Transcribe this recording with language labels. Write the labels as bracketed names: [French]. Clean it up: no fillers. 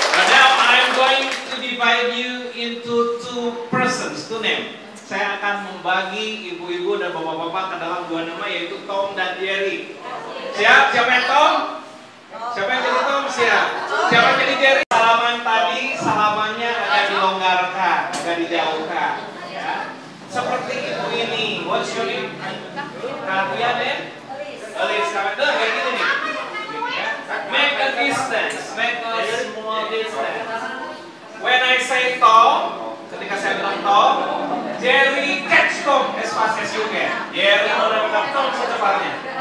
[English] Now I'm going to divide you into two persons, two names. [Indonesian] Saya akan membagi ibu-ibu dan bapak-bapak ke dalam dua nama yaitu Tom dan Jerry. Siap? Siapa yang Tom? Siapa yang jadi Tom? Siap? Siapa jadi Jerry? Salaman tadi, salamannya agak dilonggarkan, agak dijauhkan. Ya. Seperti ibu ini, [English] what's your name? [Indonesian] Katia, Ben? Elis. Elis, kayak gitu nih. [English] Make a distance, make a small distance. When I say Tom, [Indonesian] ketika saya bilang Tom, [English] Jerry catch Tom as fast as you can. [Indonesian] Jerry mulai menangkap Tom secepatnya, oke?